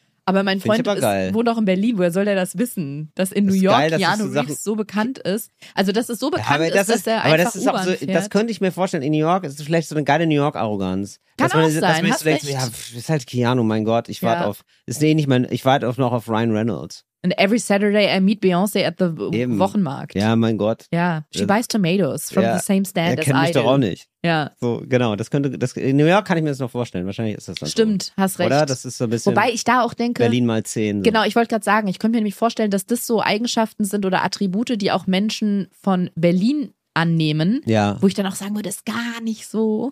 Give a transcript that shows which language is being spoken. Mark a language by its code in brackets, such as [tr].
[de] Aber mein Freund wohnt auch in Berlin. Woher soll der das wissen, dass in New York Keanu Reeves so bekannt ist? Also, dass es so bekannt ist, dass er einfach U-Bahn fährt. Aber das ist auch so, das könnte ich mir vorstellen. In New York ist es vielleicht so eine geile New York-Arroganz. Kann auch sein. Dass man so denkt, ja, ist halt Keanu, mein Gott, ich warte auf, ist nee, nicht mein, ich warte auf noch auf Ryan Reynolds. [en] And every Saturday I meet Beyoncé at the Eben. Wochenmarkt. [de] Ja, mein Gott. [en] Ja, she buys tomatoes from the same stand as I do. [de] Er kennt mich doch auch nicht. Ja. So, genau, das könnte, das, in New York kann ich mir das noch vorstellen. Wahrscheinlich ist das dann stimmt, so. Hast recht. Oder? Das ist so ein bisschen wobei ich da auch denke, Berlin mal 10. So. Genau, ich wollte gerade sagen, ich könnte mir nämlich vorstellen, dass das so Eigenschaften sind oder Attribute, die auch Menschen von Berlin annehmen. Ja. Wo ich dann auch sagen würde, ist gar nicht so.